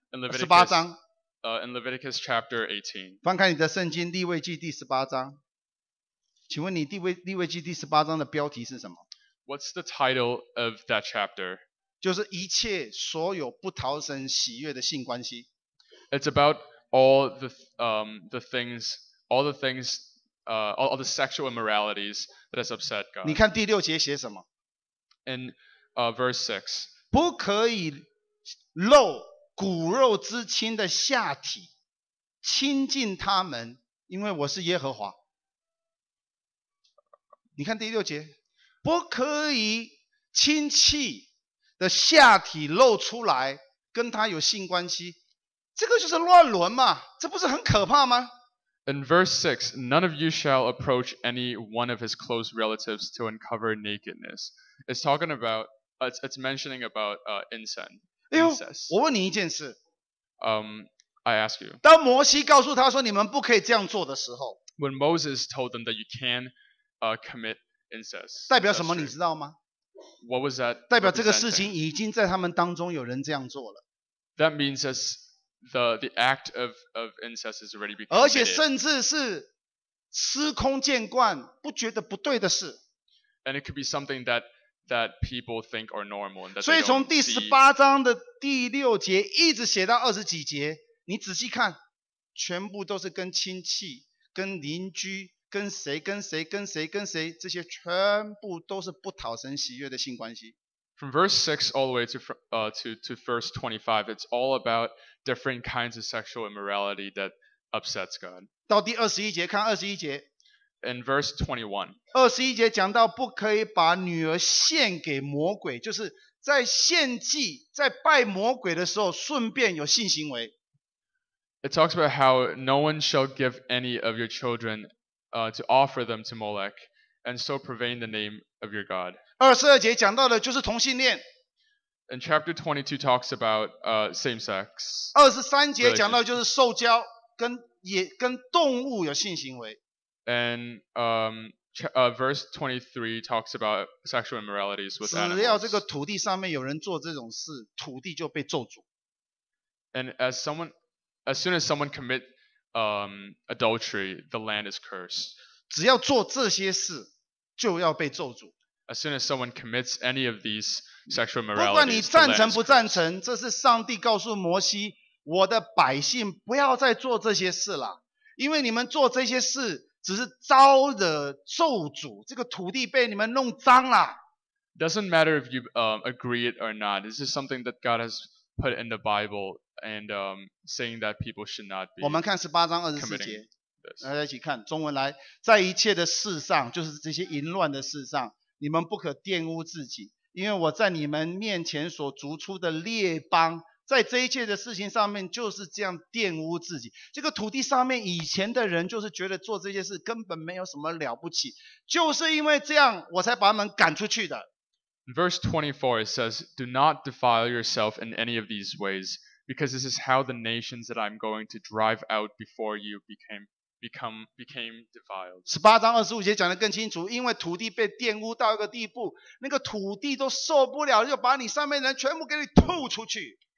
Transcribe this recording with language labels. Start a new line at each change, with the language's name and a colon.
English: In Leviticus chapter 18.
Chinese: 翻开你的圣经，利未记第十八章。请问你利未记第十八章的标题是什么？
English: What's the title of that chapter?
Chinese: 就是一切所有不讨神喜悦的性关系。
English: It's about all the things, all the things, all the sexual immoralities that has upset God.
Chinese: 你看第六节写什么？
English: In verse 6.
Chinese: 不可以露骨肉之亲的下体，亲近他们，因为我是耶和华。你看第六节，不可以亲戚的下体露出来跟他有性关系，这个就是乱伦嘛，这不是很可怕吗？
English: In verse 6, none of you shall approach any one of his close relatives to uncover nakedness. It's talking about, it's mentioning about incest.
Chinese: 哎呦，我问你一件事。
English: I ask you.
Chinese: 当摩西告诉他说你们不可以这样做的时候，
English: When Moses told them that you can commit incest.
Chinese: 代表什么你知道吗？
English: What was that?
Chinese: 代表这个事情已经在他们当中有人这样做了。
English: That means that the act of incest has already been committed.
Chinese: 而且甚至是司空见惯，不觉得不对的事。
English: And it could be something that people think are normal. And that
Chinese: 所以从第十八章的第六节一直写到二十几节，你仔细看，全部都是跟亲戚、跟邻居。跟谁跟谁跟谁跟谁，这些全部都是不讨神喜悦的性关系。
English: From verse 6 all the way to verse 25, it's all about different kinds of sexual immorality that upsets God.
Chinese: 到第21节，看21节。
English: In verse 21.
Chinese: 21节讲到不可以把女儿献给魔鬼，就是在献祭，在拜魔鬼的时候顺便有性行为。
English: It talks about how no one shall give any of your children to offer them to Molech, and so profane the name of your God.
Chinese: 22节讲到的就是同性恋。
English: And chapter 22 talks about same sex.
Chinese: 23节讲到就是受教跟也跟动物有性行为。
English: And verse 23 talks about sexual immoralities with animals.
Chinese: 只要这个土地上面有人做这种事，土地就被咒诅。
English: And as soon as someone commit adultery, the land is cursed.
Chinese: 只要做这些事，就要被咒诅。
English: As soon as someone commits any of these sexual immoralities,
Chinese: 不管你赞成不赞成，这是上帝告诉摩西，我的百姓不要再做这些事了，因为你们做这些事只是招惹咒诅，这个土地被你们弄脏了。
English: Doesn't matter if you agree it or not. This is something that God has put in the Bible. And saying that people should not be.
Chinese: 我们看十八章二十四节，来一起看中文来，在一切的事上，就是这些淫乱的事上，你们不可玷污自己，因为我在你们面前所逐出的列邦，在这一切的事情上面就是这样玷污自己。这个土地上面以前的人就是觉得做这些事根本没有什么了不起，就是因为这样，我才把他们赶出去的。
English: Verse 24 it says, "Do not defile yourself in any of these ways." Because this is how the nations that I'm going to drive out before you became defiled.
Chinese: 十八章二十五节讲得更清楚，因为土地被玷污到一个地步，那个土地都受不了，就把你上面的人全部给你吐出去。